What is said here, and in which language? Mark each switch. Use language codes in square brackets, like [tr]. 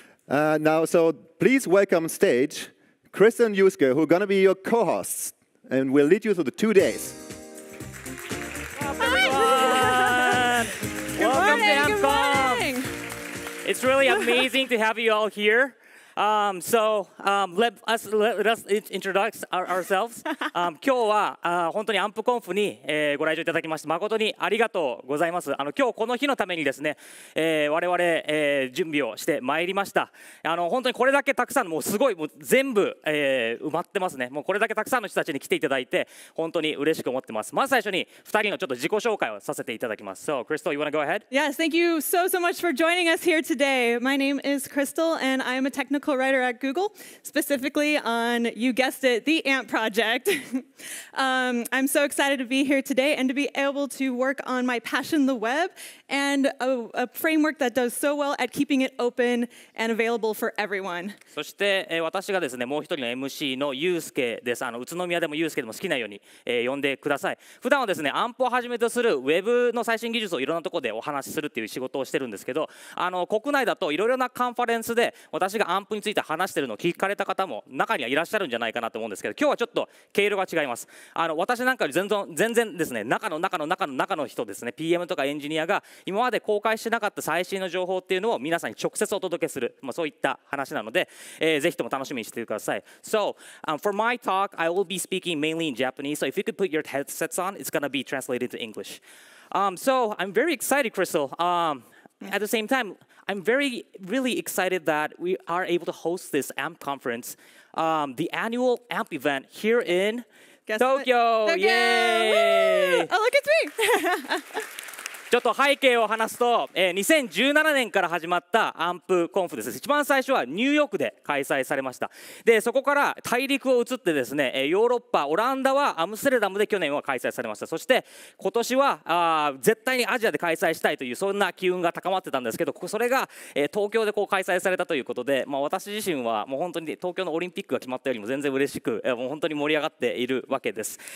[en] So please welcome on stage Chris and Yusuke, who are going to be your co-hosts, and we'll lead you through the 2 days. Hi, everyone! Good morning! It's really amazing to have you all here. Let us introduce ourselves. [ja] 今日は本当にAMP Confにご来場いただきまして誠にありがとうございます。今日この日のためにですね、我々準備をしてまいりました。本当にこれだけたくさんもうすごいもう全部埋まってますね。もうこれだけたくさんの人たちに来ていただいて本当に嬉しく思ってます。まず最初に2人のちょっと自己紹介をさせていただきます。 [en] So Crystal, you want to go ahead? Yes, thank you so much for joining us here today. My name is Crystal and I am a technical article writer at Google, specifically on, you guessed it, the AMP project. I'm so excited to be here today and to be able to work on my passion, the web, and a framework that does so well at keeping it open and available for everyone. [ja] そして、私がですね、もう一人の MC のユウスケです。宇都宮でもユウスケでも好きなように、呼んでください。普段はですね、AMPをはじめとするウェブの最新技術をいろんなところでお話しするっていう仕事をしてるんですけど、国内だといろいろなカンファレンスで私がAMPについて話してるのを聞かれた方も中にはいらっしゃるんじゃないかなと思うんですけど、今日はちょっと経路が違います。私なんかより全然ですね、中の人ですね、 PM とかエンジニアが今まで公開してなかった最新の情報っていうのを皆さんに直接お届けする、まあ、そういった話なので、ぜひとも楽しみにしてください。 [en] So, for my talk, I will be speaking mainly in Japanese. So if you could put your headsets on, it's going to be translated to English. So I'm very excited, Crystal. At the same time, I'm very, really excited that we are able to host this AMP conference, the annual AMP event here in Tokyo. Yay! Oh, look, it's me! [ja] ちょっと背景を話すと、2017年から始まったアンプコンフです。一番最初はニューヨークで開催されました。で、そこから大陸を移ってですね、ヨーロッパ、オランダはアムステルダムで去年は開催されました。そして今年は絶対にアジアで開催したいというそんな機運が高まってたんですけど、それが、東京でこう開催されたということで、まあ、私自身はもう本当に東京のオリンピックが決まったよりも全然嬉しく、もう本当に盛り上がっているわけです。